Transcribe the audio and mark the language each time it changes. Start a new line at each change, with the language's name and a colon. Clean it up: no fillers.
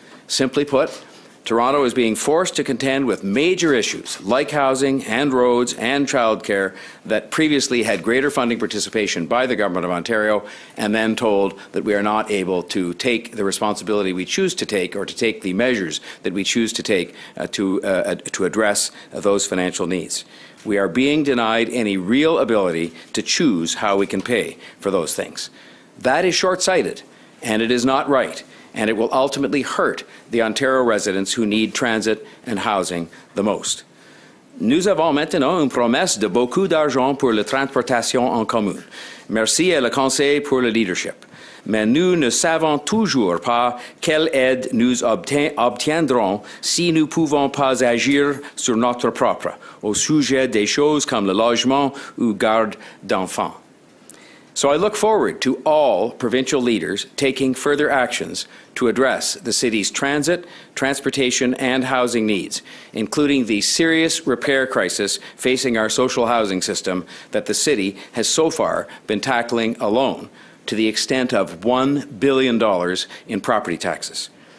English: Simply put, Toronto is being forced to contend with major issues like housing and roads and childcare that previously had greater funding participation by the Government of Ontario, and then told that we are not able to take the responsibility we choose to take or to take the measures that we choose to take to address those financial needs. We are being denied any real ability to choose how we can pay for those things. That is short-sighted, and it is not right. And it will ultimately hurt the Ontario residents who need transit and housing the most.
French: Nous avons maintenant une promesse de beaucoup d'argent pour la transportation en commun. Merci à le conseil pour le leadership. Mais nous ne savons toujours pas quelle aide nous obtiendrons si nous ne pouvons pas agir sur notre propre, au sujet des choses comme le logement ou garde d'enfants.
English: So I look forward to all provincial leaders taking further actions to address the city's transit, transportation, and housing needs, including the serious repair crisis facing our social housing system that the city has so far been tackling alone to the extent of $1 billion in property taxes.